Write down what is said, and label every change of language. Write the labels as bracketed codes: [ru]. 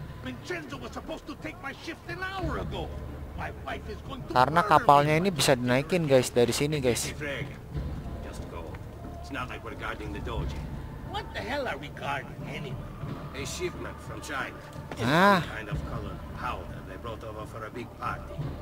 [en] Vincenzo was supposed to take my shift an hour ago. My wife is going to. [id] Karena kapalnya ini bisa dinaikin, guys, dari sini, guys. [en] Just go. It's not like we're guarding the doji. What the hell are we guarding anyway? A shipment from China. Ah. Kind of colored powder they brought over for a big party.